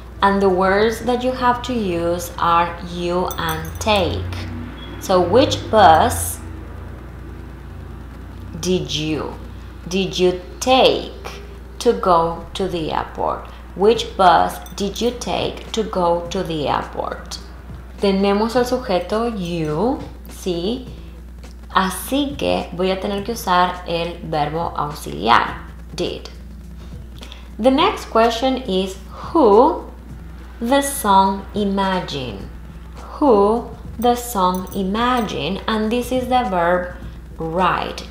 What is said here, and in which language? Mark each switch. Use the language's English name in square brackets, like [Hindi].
[English] And the words that you have to use are you and take. So which bus did you take to go to the airport? Which bus did you take to go to the airport? [Spanish] Tenemos el sujeto you, ¿sí? Así que voy a tener que usar el verbo auxiliar, did. [English] The next question is who the song Imagine. Who the song Imagine, and this is the verb write.